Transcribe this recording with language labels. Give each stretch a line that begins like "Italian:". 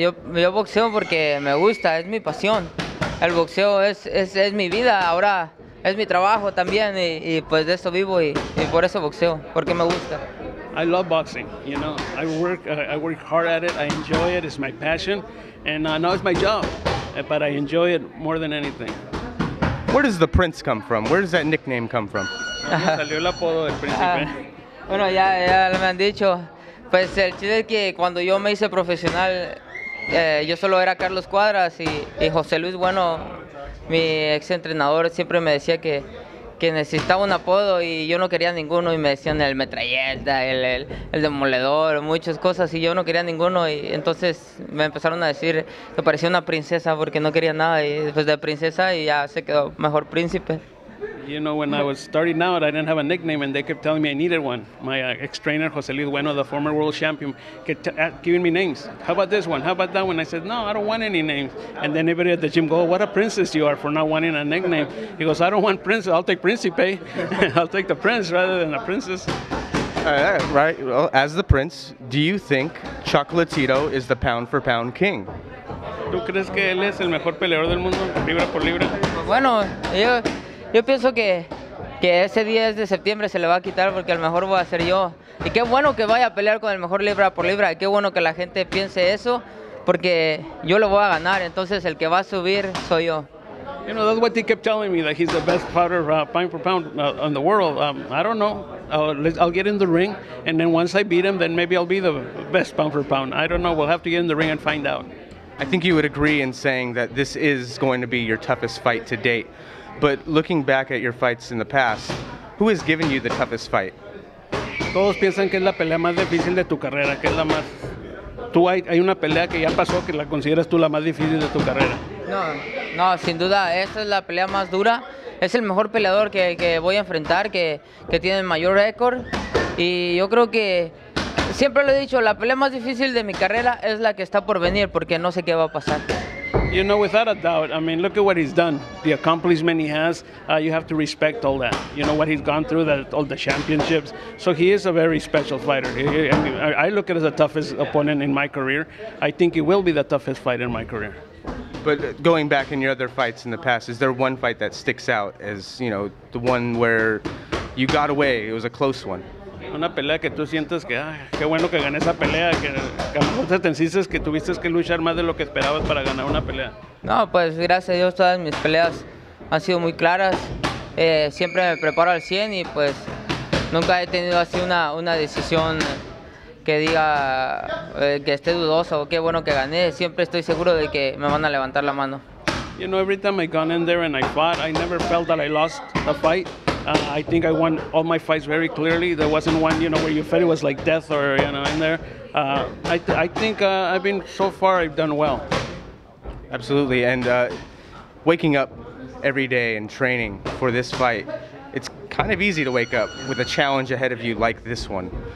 Spanish: Yo boxeo porque me gusta, es mi pasión. El boxeo es mi vida, ahora es mi trabajo también, y pues de eso vivo, y por eso boxeo, porque me gusta.
English: I love boxing, you know. I work hard at it, I enjoy it, it's my passion, and now it's my job, but I enjoy it more than anything. Where does the Prince come from? Where does that nickname come from?
Spanish: Salió el apodo del príncipe. Bueno, ya me han dicho. Pues el chiste es que cuando yo me hice profesional, yo solo era Carlos Cuadras, y José Luis Bueno, mi ex entrenador, siempre me decía que necesitaba un apodo, y yo no quería ninguno, y me decían el metralleta, el demoledor, muchas cosas, y yo no quería ninguno, y entonces me empezaron a decir que parecía una princesa porque no quería nada, y después de princesa y ya se quedó mejor príncipe.
English: You know, when I was starting out, I didn't have a nickname, and they kept telling me I needed one. My ex-trainer, José Luis Bueno, the former world champion, kept giving me names. How about this one? How about that one? I said, no, I don't want any names. And then everybody at the gym go, oh, what a princess you are for not wanting a nickname. He goes, I don't want princess. I'll take Principe. I'll take the prince rather than a princess. Right. Well, as the prince, do you think Chocolatito is the pound-for-pound king?
Spanish: ¿Tú crees que él es el mejor peleador del mundo, libra por libra? Bueno, Yo pienso que ese 10 de septiembre se le va a quitar porque el mejor voy a ser yo. Y qué bueno que vaya a pelear con el mejor libra por libra. Y qué bueno que la gente piense eso porque yo lo voy a ganar. Entonces el que va a subir soy yo.
English: You know, that's what they kept telling me, that he's the best fighter pound for pound in the world. I don't know. I'll get in the ring, and then once I beat him, then maybe I'll be the best pound for pound. I don't know. We'll have to get in the ring and find out. I think you would agree in saying that this is going to be your toughest fight to date. But looking back at your fights in the past, who has given you the toughest fight?
Spanish: Todos piensan que es la pelea más difícil de tu carrera, que es la más. Tú hay una pelea que ya pasó que la consideras tú la más difícil de tu carrera. No, sin duda, esa es la pelea más dura. Es el mejor peleador que voy a enfrentar, que tiene el mayor récord. Y yo creo que siempre lo he dicho, la pelea más difícil de mi carrera es la que está por venir, porque no sé qué va a pasar.
English: You know, without a doubt, I mean, look at what he's done, the accomplishment he has. You have to respect all that, you know, what he's gone through, that all the championships. So he is a very special fighter. I look at him as the toughest opponent in my career. I think he will be the toughest fight in my career. But going back in your other fights in the past, is there one fight that sticks out as, you know, the one where you got away, it was a close one?
Spanish: Una pelea que tú sientes que, qué bueno que gané esa pelea, que te sientes que tuviste que luchar más de lo que esperabas para ganar una pelea. No, pues gracias a Dios todas mis peleas han sido muy claras. Siempre me preparo al 100 y pues nunca he tenido así una decisión que diga que esté dudoso o qué bueno que gané. Siempre estoy seguro de que me van a levantar la mano.
English: You know, every time I gone in there and I fought, I never felt that I lost a fight. I think I won all my fights very clearly. There wasn't one, you know, where you felt it was like death or, you know, in there. I think so far I've done well. Absolutely. And waking up every day and training for this fight, it's kind of easy to wake up with a challenge ahead of you like this one.